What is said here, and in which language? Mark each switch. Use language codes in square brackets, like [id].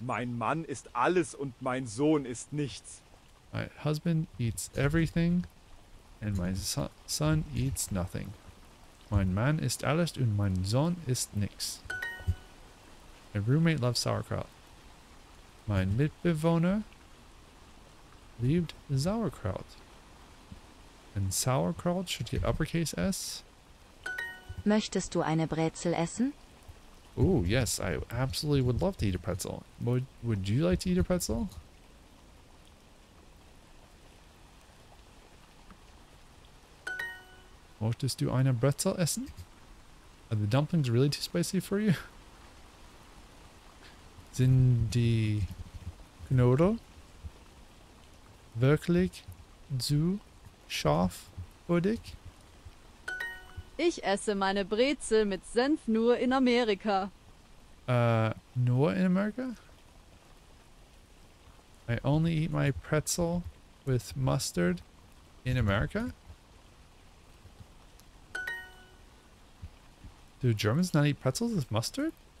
[de] Mein Mann ist alles und mein Sohn ist nichts. [en] My husband eats everything and my son eats nothing. [de] Mein Mann ist alles und mein Sohn ist nichts. [en] My roommate loves sauerkraut. [de] Mein Mitbewohner liebt sauerkraut. [en] And sauerkraut should get uppercase S. [de] Möchtest du eine Brezel essen? [en] Ooh, yes, I absolutely would love to eat a pretzel. Would you like to eat a pretzel? [de] Möchtest du eine Brezel essen? [en] Are the dumplings really too spicy for you? [de] Sind die Knödel wirklich zu scharf für dich? Ich esse meine Brezel mit Senf nur in Amerika. Nur in America? [en] I only eat my pretzel with mustard in America? Do Germans not eat pretzels with mustard?